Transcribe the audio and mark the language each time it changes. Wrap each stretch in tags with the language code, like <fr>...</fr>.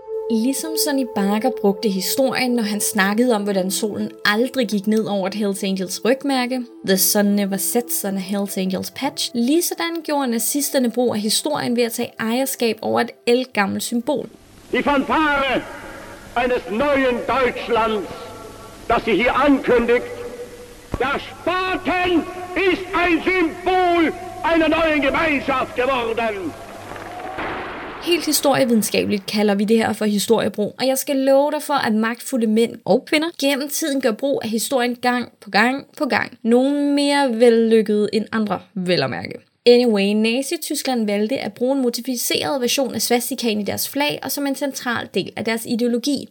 <da>Ligesom Sonny Barker brugte historien, når han snakkede om, hvordan solen aldrig gik ned over et Hells Angels rygmærke,</da> <en>the sun never sets on a Hells Angels patch,</en> <da>lige sådan gjorde nazisterne brug af historien ved at tage ejerskab over et ældgammelt symbol.</da> <de>Die Fanfare eines neuen Deutschlands, das sie hier ankündigt, der Spaten ist ein Symbol einer neuen Gemeinschaft geworden.</de> <da>Helt historievidenskabeligt kalder vi det her for historiebrug, og jeg skal love dig for, at magtfulde mænd og kvinder gennem tiden gør brug af historien gang på gang på gang. Nogle mere vellykkede end andre, vel at mærke. Anyway, Nazi-Tyskland valgte at bruge en modificeret version af svastikaen i deres flag og som en central del af deres ideologi.</da>